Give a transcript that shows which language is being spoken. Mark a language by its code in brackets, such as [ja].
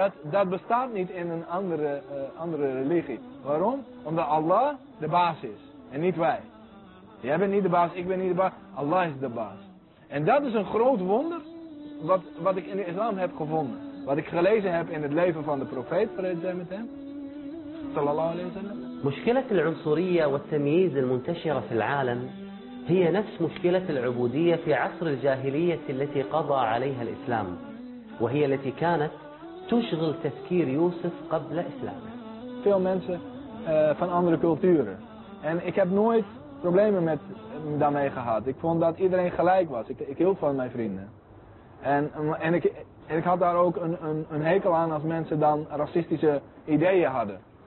[nl] Dat bestaat niet in een andere religie. Waarom? Omdat Allah de baas is. En niet wij. Jij bent niet de baas, ik ben niet de baas. Allah is de baas. En dat is een groot wonder wat ik in de islam heb gevonden. Wat ik gelezen heb in het leven van de profeet, vrede zij met hem. [ar] Sallallahu alayhi wa sallam. مشكلة العنصرية والتمييز المنتشرة في العالم هي نفس مشكلة العبودية في عصر الجاهلية التي قضى عليها الإسلام وهي التي كانت تشغل تفكير يوسف قبل إسلامه. [nl] Veel mensen van andere culturen en ik heb nooit problemen met daarmee gehad. Ik vond dat iedereen gelijk was. Ik hield van mijn vrienden en ik had daar ook een hekel aan als mensen dan racistische ideeën hadden.